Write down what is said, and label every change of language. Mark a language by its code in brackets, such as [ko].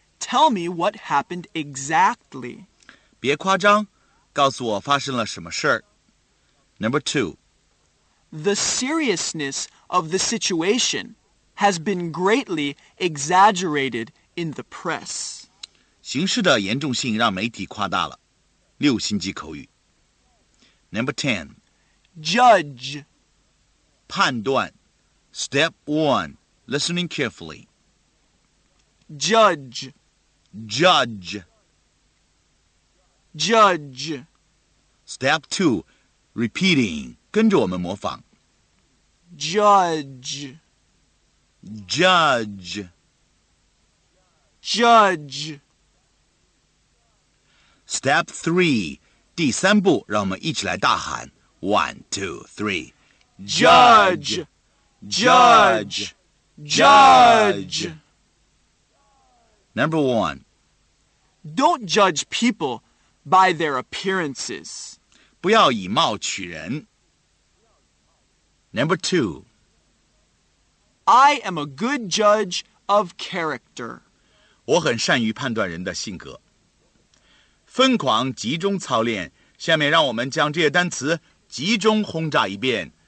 [en] Tell me what happened exactly. [zh] 别夸张，告诉我发生了什么事儿。 [en] Number 2. The seriousness of the situation has been greatly exaggerated in the press. [zh] 形势的严重性让媒体夸大了。六星级口语。 [en] Number 10. Judge. [zh] 判断。 [en] Step 1. Listening carefully. Judge. Judge. Judge. Step 2. Repeating. [zh] 跟着我们模仿。 [en] Judge. Judge. Judge. Step 3. [zh] 第三步让我们一起来大喊。 [en] 1, 2, 3. Judge. Judge. Judge. Number 1. Don't judge people by their appearances. [zh] 不要以貌取人。 [en] Number 2. I am a good judge of character. [zh] 我很善于判断人的性格。疯狂集中操练，下面让我们将这些单词集中轰炸一遍。